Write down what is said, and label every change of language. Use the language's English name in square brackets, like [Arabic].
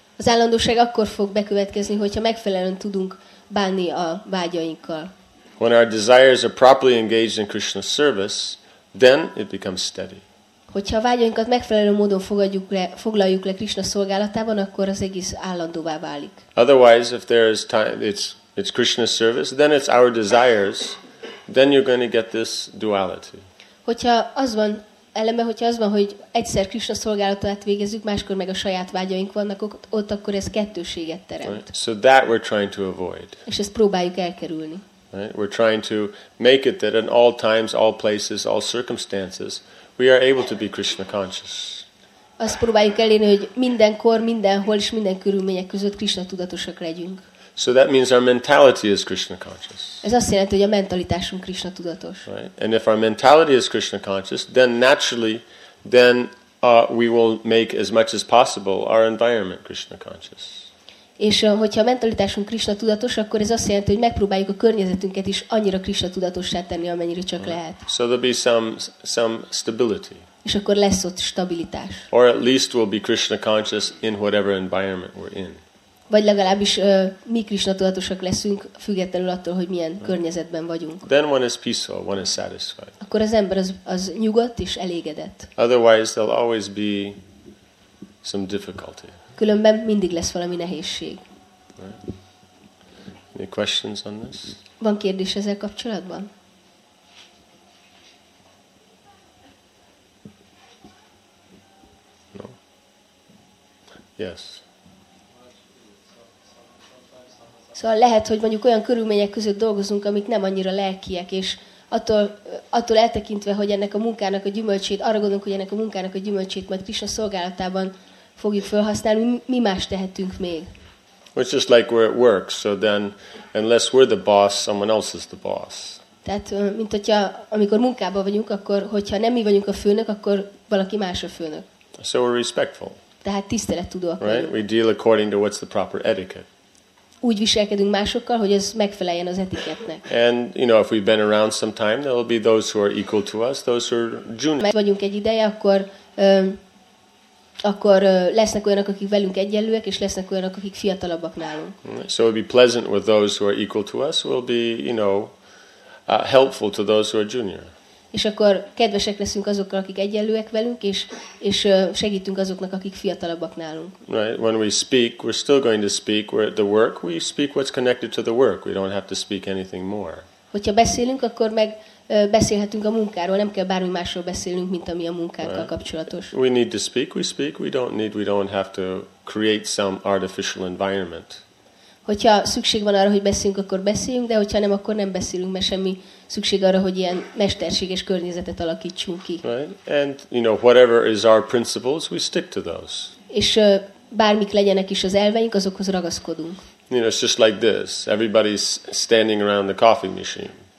[Hungarian] Az állandóság akkor fog bekövetkezni, hogyha megfelelően tudunk bánni a vágyainkkal. [English] When our desires are properly engaged in Krishna's service, then it becomes steady. [Hungarian] Hogyha a vágyainkat megfelelő módon foglaljuk le Krishna szolgálatában, akkor az egész állandóvá válik. [English] Otherwise, if there is time, it's Krishna's service, then it's our desires, then you're going to get this duality. [Hungarian] Hogyha az van, eleme, hogyha az van, hogy egyszer Krishna szolgálatát végezzük, máskor meg a saját vágyaink vannak ott, akkor ez kettőséget teremt. [English] Right. So that we're trying to avoid. [Hungarian] És ezt próbáljuk elkerülni. [English] Right. We're trying to make it that in all times, all places, all circumstances, we are able to be Krishna conscious. [Hungarian] Azt próbáljuk elérni, hogy mindenkor, mindenhol és minden körülmények között Krishna tudatosak legyünk. [English] So that means our mentality is Krishna conscious. [Hungarian] Ez azt jelenti, hogy a mentalitásunk Krishna tudatos. [English] Right? And if our mentality is Krishna conscious, then naturally, then we will make as much as possible our environment Krishna conscious. [Hungarian] És hogyha a mentalitásunk Krishna tudatos, akkor ez azt jelenti, hogy megpróbáljuk a környezetünket is annyira Krishna tudatossá tenni, amennyire csak lehet. [English] So there'll be some stability. [Hungarian] És akkor lesz ott stabilitás. [English] Or at least we'll be Krishna conscious in whatever environment we're in. [Hungarian] Vagy legalábbis mi Krishna tudatosak leszünk, függetlenül attól, hogy milyen környezetben vagyunk. [English] Then one is peaceful, one is satisfied. [Hungarian] Akkor az ember az nyugodt és elégedett. [English] Otherwise there'll always be some difficulty. [Hungarian] Különben mindig lesz valami nehézség. [English] Right. Any questions on this? [Hungarian] Van kérdés ezzel kapcsolatban? [English] No. Yes. [Hungarian] Szóval lehet, hogy mondjuk olyan körülmények között dolgozunk, amik nem annyira lelkiek, és attól eltekintve, hogy ennek a munkának a gyümölcsét, arra gondolunk, hogy ennek a munkának a gyümölcsét majd Krisna szolgálatában fogjuk felhasználni, mi más tehetünk még? [English] It's just like where it works, so then unless we're the boss, someone else is the boss. [Hungarian] Tehát, mint hogyha, amikor munkában vagyunk, akkor hogyha nem mi vagyunk a főnök, akkor valaki más a főnök. [English] So we're respectful. [Hungarian] Tehát tisztelettudóak vagyunk. [English] Right? We deal according to what's the proper etiquette. [Hungarian] Úgy viselkedünk másokkal, hogy ez megfeleljen az etiketnek. [English] And you know, if we've been around some time, there will be those who are equal to us, those who are junior. [Hungarian] Mert vagyunk egy ideje, akkor akkor lesznek olyanok, akik velünk egyenlőek, és lesznek olyanok, akik fiatalabbak nálunk. [English] So it'll be pleasant with those who are equal to us. We'll be, you know, helpful to those who are junior. [Hungarian] és akkor kedvesek leszünk azokkal, akik egyenlőek velünk, és segítünk azoknak, akik fiatalabbak nálunk. [English] Right, when we speak, we're still going to speak. We're at the work, we speak what's connected to the work. We don't have to speak anything more. [Hungarian] Hogyha beszélünk, akkor meg beszélhetünk a munkáról, nem kell bármi másról beszélnünk, mint ami a munkánkkal [English] right. [Hungarian] kapcsolatos. [English] We need to speak, we speak. We don't have to create some artificial environment. [Hungarian] Hogyha szükség van arra, hogy beszéljünk, akkor beszéljünk, de hogyha nem, akkor nem beszélünk, mert semmi szükség arra, hogy ilyen mesterséges környezetet alakítsunk ki. [English] Right. And you know, whatever is our principles, we stick to those. [Hungarian] És bármik legyenek is az elveink, azokhoz ragaszkodunk. [English] You know, it's just like this. Everybody's standing around the coffee machine.